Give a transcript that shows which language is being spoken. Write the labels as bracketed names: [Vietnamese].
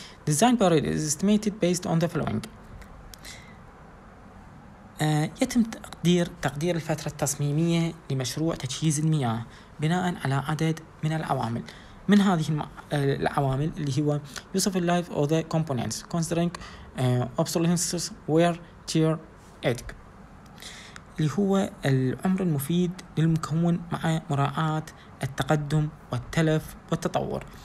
[English] Design period is estimated based on the following. [Arabic] يتم تقدير الفترة التصميمية لمشروع تجهيز المياه بناء على عدد من العوامل. من هذه العوامل اللي هو [English] useful life of the components considering obsolescence wear tear etc. [Arabic] اللي هو العمر المفيد للمكون مع مراعاة التقدم والتلف والتطور.